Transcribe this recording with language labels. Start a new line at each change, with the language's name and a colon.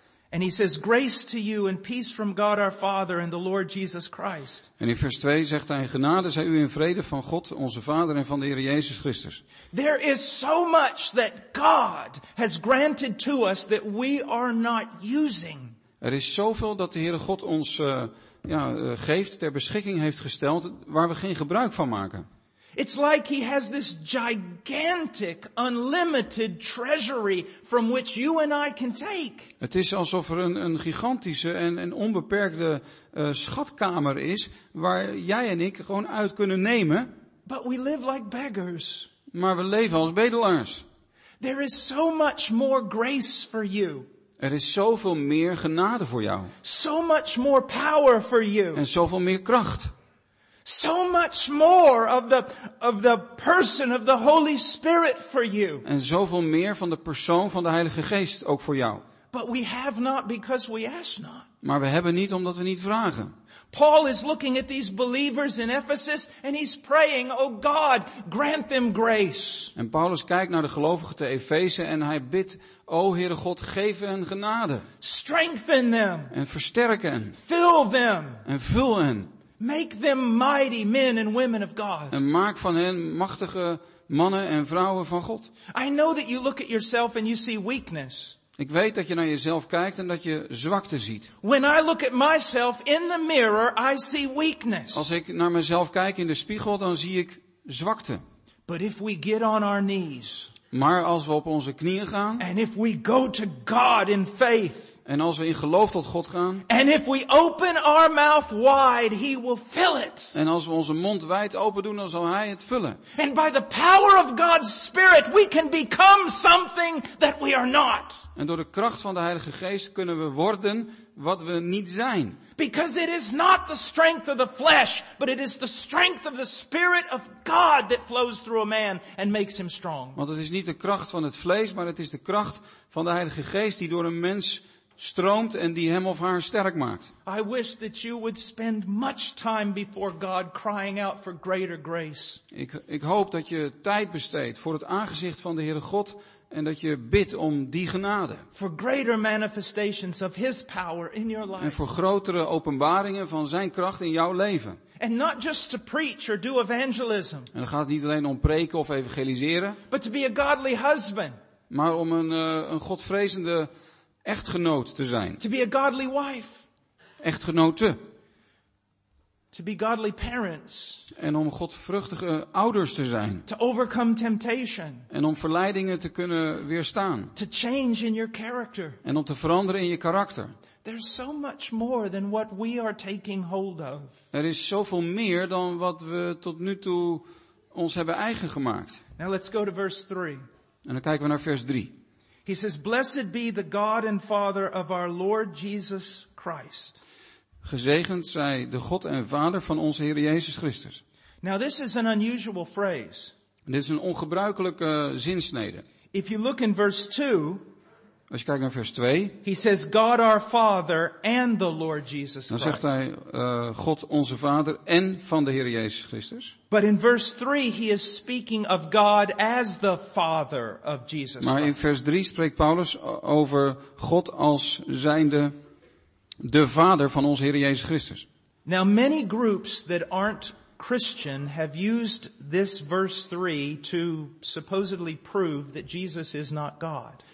English: And he says, grace to you and peace from God our Father and the Lord Jesus Christ.
Dutch: En in vers 2 zegt hij, genade zij u in vrede van God, onze Vader en van de Heer Jezus Christus.
English: There is so much that God has granted to us that we are not using.
Dutch: Er is zoveel dat de Heere God ons geeft, ter beschikking heeft gesteld, waar we geen gebruik van maken.
English: It's like he has this gigantic, unlimited treasury from which you and I can take.
Dutch: Het is alsof er een gigantische en een onbeperkte schatkamer is waar jij en ik gewoon uit kunnen nemen.
English: But we live like beggars.
Dutch: Maar we leven als bedelaars.
English: There is so much more grace for you.
Dutch: Er is zoveel meer genade voor jou.
English: So much more power for you.
Dutch: En zoveel meer kracht.
English: So much more of the person of the Holy Spirit for you.
Dutch: En zoveel meer van de persoon van de Heilige Geest ook voor jou.
English: But we have not because we ask not.
Dutch: Maar we hebben niet omdat we niet vragen.
English: Paul is looking at these believers in Ephesus and he's praying, oh God, grant them grace.
Dutch: En Paulus kijkt naar de gelovigen te Efeze en hij bidt, o Heere God, geef hen genade.
English: Strengthen them.
Dutch: En versterk hen.
English: Fill them.
Dutch: En vul hen.
English: Make them mighty men and women of God.
Dutch: En maak van hen machtige mannen en vrouwen van God.
English: I know that you look at yourself and you see weakness.
Dutch: Ik weet dat je naar jezelf kijkt en dat je zwakte ziet.
English: When I look at myself in the mirror, I see weakness.
Dutch: Als ik naar mezelf kijk in de spiegel, dan zie ik zwakte.
English: But if we get on our knees.
Dutch: Maar als we op onze knieën gaan.
English: And if we go to God in faith.
Dutch: En als we in geloof tot God gaan.
English: And if we open our mouth wide, he will fill it.
Dutch: En als we onze mond wijd open doen, dan zal hij het vullen.
English: And by the power of God's Spirit, we can become something that we are not.
Dutch: En door de kracht van de Heilige Geest kunnen we worden wat we niet zijn.
English: Because it is not the strength of the flesh, but it is the strength of the Spirit of God that flows through a man and makes him strong.
Dutch: Want het is niet de kracht van het vlees, maar het is de kracht van de Heilige Geest die door een mens stroomt en die hem of haar sterk maakt.
English: I wish that you would spend much time before God crying out for greater grace.
Dutch: Ik hoop dat je tijd besteedt voor het aangezicht van de Heere God en dat je bidt om die genade.
English: For greater manifestations of his power in your life.
Dutch: En voor grotere openbaringen van zijn kracht in jouw leven.
English: And not just to preach or do evangelism.
Dutch: En dan gaat het niet alleen om preken of evangeliseren.
English: But to be a godly husband.
Dutch: Maar om een godvrezende echtgenoot te zijn.
English: To be a godly wife.
Dutch: Echtgenote.
English: To be godly parents.
Dutch: En om godvruchtige ouders te zijn.
English: To overcome temptation.
Dutch: En om verleidingen te kunnen weerstaan.
English: To change in your character.
Dutch: En om te veranderen in je karakter.
English: There's so much more than what we are taking hold of.
Dutch: Er is zoveel meer dan wat we tot nu toe ons hebben eigen gemaakt.
English: Now let's go to verse 3.
Dutch: En dan kijken we naar vers 3.
English: He says, "Blessed be the God and Father of our Lord Jesus Christ."
Dutch: Gezegend zij de God en Vader van onze Heer Jezus Christus.
English: Now this is an unusual phrase.
Dutch: Dit is een ongebruikelijke zinsnede.
English: If you look in verse 2,
Dutch: als je kijkt naar vers 2,
English: he says, "God our Father and the Lord Jesus Christ."
Dutch: Dan zegt hij God onze Vader en van de Heer Jezus Christus.
English: But in verse 3 he is speaking of God as the Father of Jesus Christ.
Dutch: Maar in vers 3 spreekt Paulus over God als zijnde de Vader van onze Heer Jezus Christus.
English: Now many groups that aren't Christian have used this verse 3 to supposedly prove that Jesus is not God.